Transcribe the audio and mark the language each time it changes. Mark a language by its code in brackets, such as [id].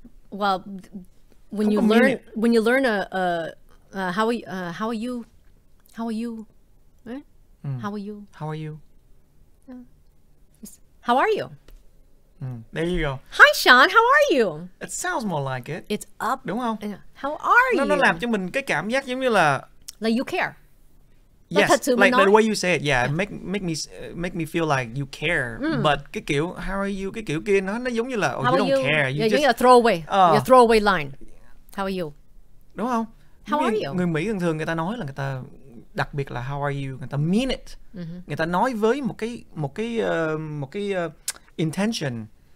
[en] Well, when you learn how are you there you go. Hi Sean, how are you? It sounds more like it. It's up, [vi] đúng không? [en] How are you? [vi] Nó làm cho mình cái cảm giác giống như là [en] like you care. Yes, like the way you say it, yeah, make me feel like you care. Mm. [vi] But cái kiểu [en] how are you, [vi] cái kiểu kia nó giống như là [en] oh, you don't you? Care. You yeah, just yeah, throw away. Your throw away line. How are you? [vi] Đúng không? [en] How are you? [vi] Người Mỹ thường người ta nói là người ta đặc biệt là [en] how are you, [vi] người ta [en] mean it. [vi] Mm-hmm. Người ta nói với một cái intention.